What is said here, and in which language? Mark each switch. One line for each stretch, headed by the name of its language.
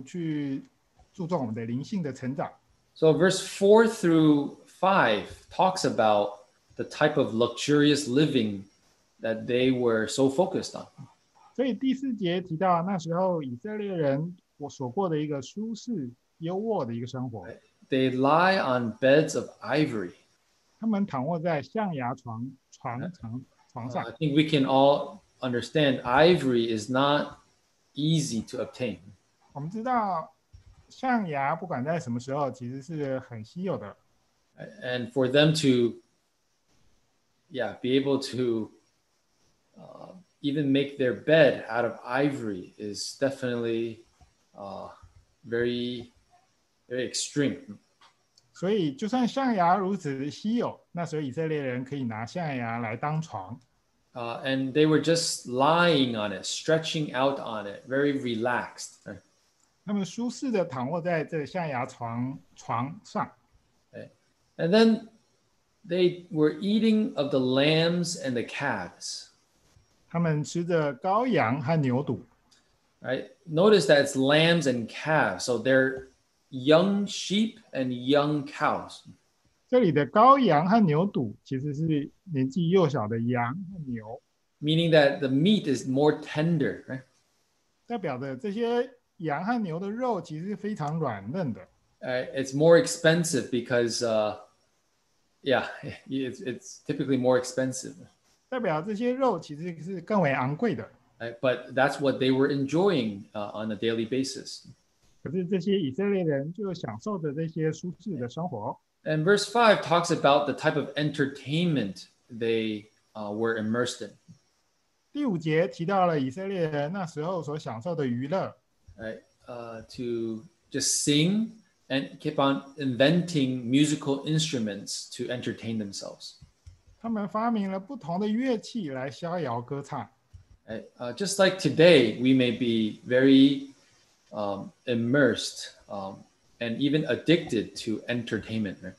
Chinese: 常常只顾着享受我们的生活，日常生活，而不去注重我们的灵性的成长。
English: So verse 4 through 5 talks about the type of luxurious living that they were so focused on.
Chinese: 所以第四节提到那时候以色列人所过的一个舒适。
English: They lie on beds of ivory.
Chinese: 他们躺卧在象牙床上。
English: I think we can all understand ivory is not easy to obtain.
Chinese: 我们知道象牙不管在什么时候其实是很稀有的。
English: And for them to be able to even make their bed out of ivory is definitely very extreme.
Chinese: 所以就算象牙如此稀有, 那时候以色列人可以拿象牙来当床。
English: And they were just lying on it, stretching out on it, very relaxed.
Chinese: 他们舒适地躺卧在这象牙床上。
English: And then they were eating of the lambs and the calves.
Chinese: 他们吃着羔羊和牛肚。
English: Right? Notice that it's lambs and calves, so they're young sheep and young cows.
Chinese: 这里的羔羊和牛肚其实是年纪幼小的羊和牛。
English: Meaning that the meat is more tender, right?
Chinese: 代表着这些羊和牛的肉其实是非常软嫩的。
English: It's more expensive because, it's typically more expensive.
Chinese: 代表这些肉其实是更为昂贵的。
English: But that's what they were enjoying on a daily basis.
Chinese: 可是这些以色列人就享受着这些舒适的生活。
English: And verse 5 talks about the type of entertainment they were immersed in.
Chinese: 第五节提到了以色列人那时候所享受的娱乐。
English: To just sing and keep on inventing musical instruments to entertain themselves.
Chinese: 他们发明了不同的乐器来逍遥歌唱。
English: Just like today, we may be very immersed and even addicted to entertainment.